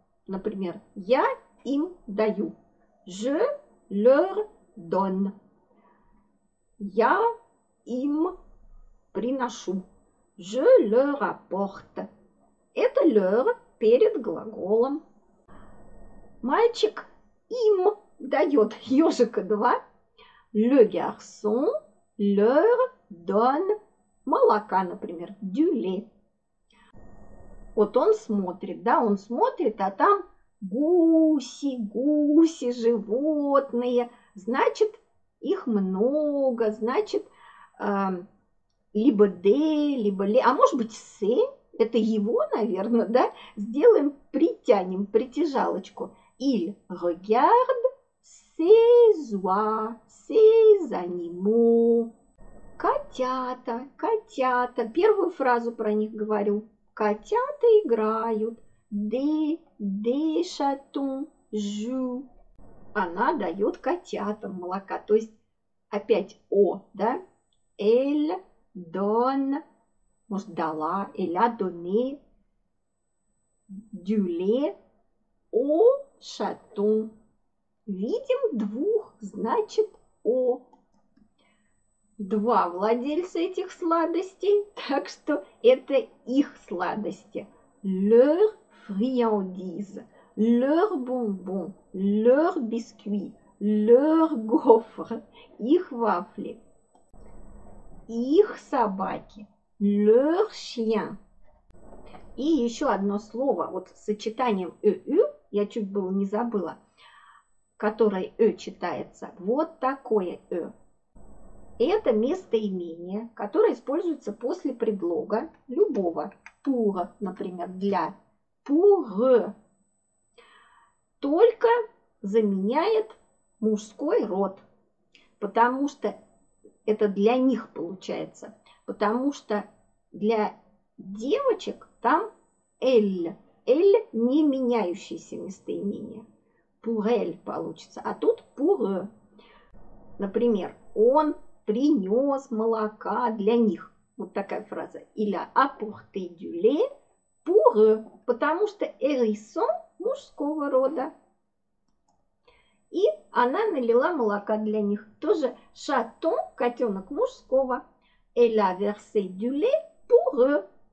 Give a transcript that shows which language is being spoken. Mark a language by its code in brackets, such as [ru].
[ru] Например, я им даю. [fr] Je leur donne. [ru] Я им приношу. [fr] Je leur apporte. [ru] Это leur перед глаголом. Мальчик им дает ёжика 2. [fr] Le garçon leur donne [ru] молока, например, [fr] du lait. [ru] Вот он смотрит, да, он смотрит, а там гуси, гуси, животные. Значит, их много, значит, либо де, либо ле, а может быть се, это его, наверное, да, сделаем, притянем, притяжалочку. [fr] Il regarde ses oies, ses animaux. [ru] Котята, котята, первую фразу про них говорю. Котята играют. [fr] Des chatons jouent. [ru] Она дает котятам молока. То есть опять о, да? [fr] Elle donne, [ru] может, дала. [fr] Elle a donné du lait aux chatons. [ru] Видим двух, значит, о. Два владельца этих сладостей, так что это их сладости. [fr] Leur friandise, leur bonbon, leur biscuit, leur gaufre, [ru] их вафли. Их собаки, [fr] leur chien. [ru] И еще одно слово, вот с сочетанием «ю», я чуть было не забыла, которое «ю» читается, вот такое «ю». Это местоимение, которое используется после предлога любого. Pour, например, для. [fr] Pour. [ru] Только заменяет мужской род. Потому что это для них получается. Потому что для девочек там elle. Elle не меняющееся местоимение. [fr] Pour elle [ru] получится. А тут pour. Например, он принёс молока для них. Вот такая фраза. [fr] Il a apporté du lait pour eux. [ru] Потому что hérisson мужского рода. И она налила молока для них. Тоже [fr] chaton, [ru] котёнок мужского. [fr] Elle a versé du lait pour eux.